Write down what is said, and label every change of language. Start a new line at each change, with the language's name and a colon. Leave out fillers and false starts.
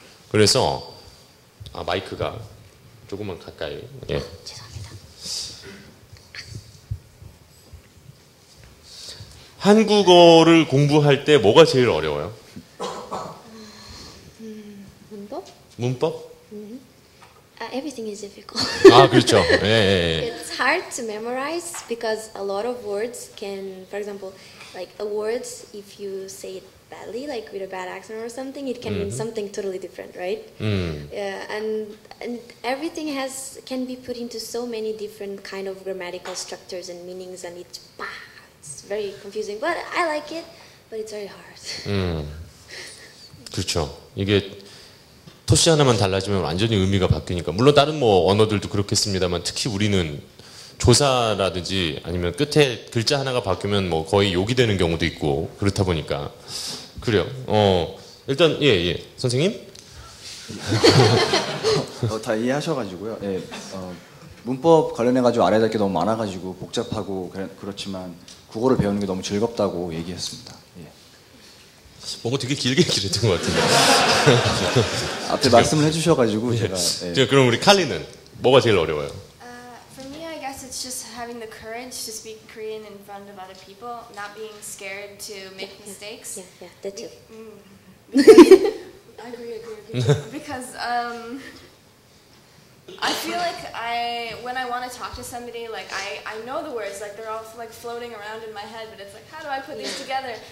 Korean: 그래서 마이크가 조금만 가까이. 예. 죄송합니다. 한국어를 공부할 때 뭐가 제일 어려워요? 문법? 문법?
English: Everything is difficult.
Korean: 아, 그렇죠. 예, 예, 예.
English: It's hard to memorize because a lot of words can, for example, like a word, if you say it badly, like with a bad accent or something, it can mean something totally different, right? Yeah, and everything has can be put into so many different kind of grammatical structures and meanings, and it's, bah, it's very confusing. But I like it, but it's very hard.
Korean: 그렇죠. 이게 토시 하나만 달라지면 완전히 의미가 바뀌니까. 물론 다른 뭐 언어들도 그렇겠습니다만 특히 우리는 조사라든지 아니면 끝에 글자 하나가 바뀌면 뭐 거의 욕이 되는 경우도 있고 그렇다 보니까. 그래요. 일단 예, 예. 선생님? 다 이해하셔가지고요. 예. 문법 관련해가지고 알아야 될 게 너무 많아가지고 복잡하고 그렇지만 국어를 배우는 게 너무 즐겁다고 얘기했습니다. 뭔가 되게 길게 길었던 것 같은데. 앞에 지금, 말씀을 해주셔가지고 예. 제가. 예. 그럼 우리 칼리는 뭐가 제일 어려워요?
English: For me, I guess it's just having the courage to speak Korean in front of other people, not being scared to make mistakes. Yeah, yeah, that too. I agree. Because I feel like when I want to talk to somebody, like I know the words, like they're all like floating around in my head, but it's like, how do I put these together?